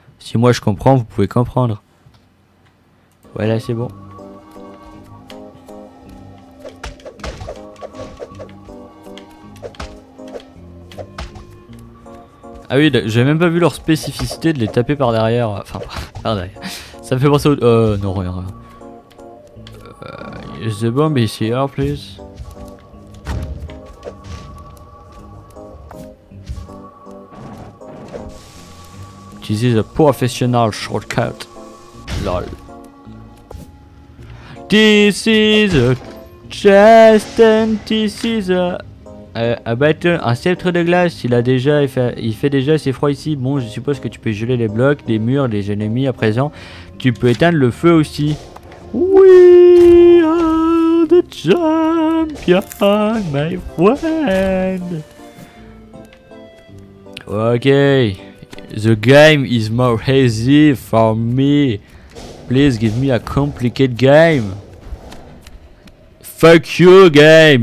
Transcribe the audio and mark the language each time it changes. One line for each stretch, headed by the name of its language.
French: Si moi je comprends, vous pouvez comprendre. Voilà, c'est bon. Ah oui, j'ai même pas vu leur spécificité de les taper par derrière. Enfin, par derrière. Ça me fait penser au. Non, rien, rien.
English: Is the bomb is here, please. This is a professional shortcut. Lol. This is a chest and this is a.
French: Un sceptre de glace, il a déjà, il fait déjà assez froid ici. Bon, je suppose que tu peux geler les blocs, les murs, les ennemis à présent. Tu peux éteindre le feu aussi.
English: We are the champion, my friend. Ok. The game is more easy for me. Please give me a complicated game. Fuck you, game.